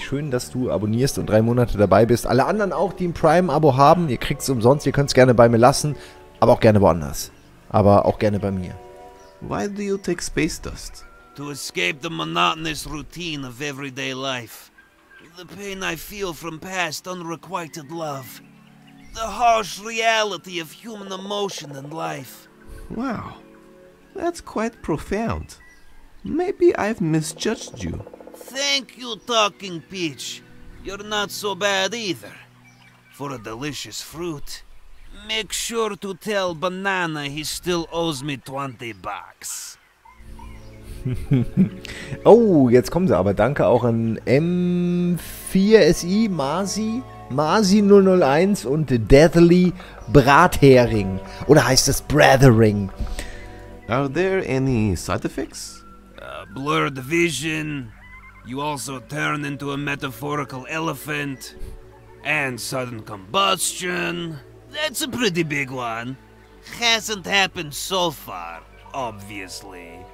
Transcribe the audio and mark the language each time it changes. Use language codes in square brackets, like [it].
[de] Schön, dass du abonnierst und 3 Monate dabei bist. Alle anderen auch, die ein Prime-Abo haben, ihr kriegt es umsonst. Ihr könnt es gerne bei mir lassen, aber auch gerne woanders. Aber auch gerne bei mir. [en] Why do you take space dust? To escape the monotonous routine of everyday life. The pain I feel from past unrequited love. The harsh reality of human emotion and life. Wow, that's quite profound. Maybe I've misjudged you. Thank you, Talking Peach. You're not so bad either. For a delicious fruit, make sure to tell Banana he still owes me 20 bucks. [de] Oh, jetzt kommen sie aber. Danke auch an M4SI, Masi001 und Deathly Brathering. Oder heißt das Brathering? [en] Are there any side effects? Blurred vision, you also turn into a metaphorical elephant, and sudden combustion. That's a pretty big one. Hasn't happened so far, obviously.